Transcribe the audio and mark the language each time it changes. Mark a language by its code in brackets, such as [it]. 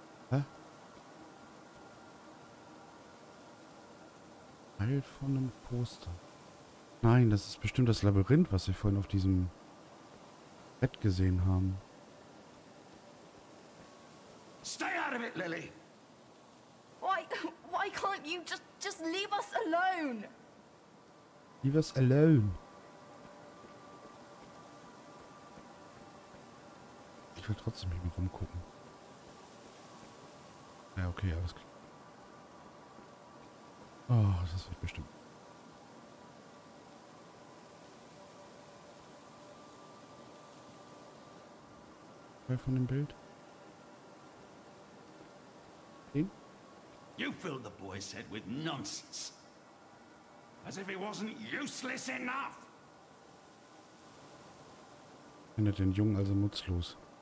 [de] Hä? Halt von einem Poster. Nein, das ist bestimmt das Labyrinth, was wir vorhin auf diesem Bett gesehen haben. [en] Stay out of it, Lily. Why can't you just leave us alone? Leave us alone. [de] Ich will trotzdem nicht mehr rumgucken. Ja, okay, alles klar. Oh, das wird bestimmt. Von dem Bild. Den? [en] You filled the boy's head with nonsense. As if he wasn't useless enough. [de] Findet den Jungen also nutzlos.